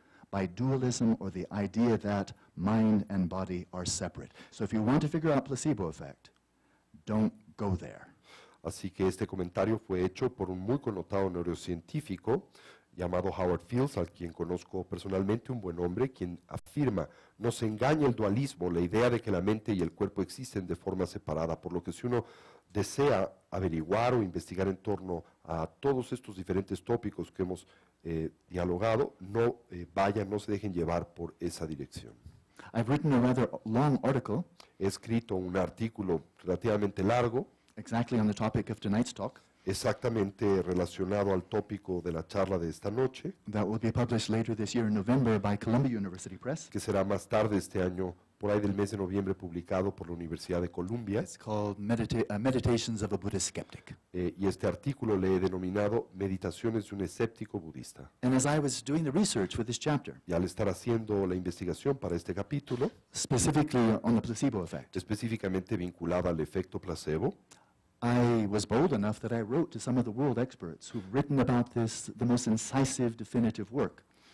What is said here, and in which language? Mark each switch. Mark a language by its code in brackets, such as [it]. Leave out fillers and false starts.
[en] by dualism or the idea that mind and body are separate. So if you want to figure out placebo effect, don't go there. [es] Así que este comentario fue hecho por un muy connotado neurocientífico llamado Howard Fields, al quien conozco personalmente, un buen hombre, quien afirma, nos engaña el dualismo, la idea de que la mente y el cuerpo existen de forma separada, por lo que si uno desea averiguar o investigar en torno a todos estos diferentes tópicos que hemos dialogado, no vayan, no se dejen llevar por esa dirección. [en] I've written a rather long article. [es] He escrito un artículo relativamente largo. [en] Exactly on the topic of tonight's talk. [es] Exactamente relacionado al tópico de la charla de esta noche. [en] That will be published later this year in November by Columbia University Press. [es] Que será más tarde este año, por ahí del mes de noviembre, publicado por la Universidad de Columbia. [en] It's called Meditations of a Buddhist Skeptic. [es] Y este artículo le he denominado Meditaciones de un escéptico budista. [en] And as I was doing the research for this chapter, [es] y al estar haciendo la investigación para este capítulo, [en] specifically on the placebo effect, [es] específicamente vinculada al efecto placebo, [en] I was bold enough that I wrote to some of the world experts who've written about this, the most incisive, definitive work.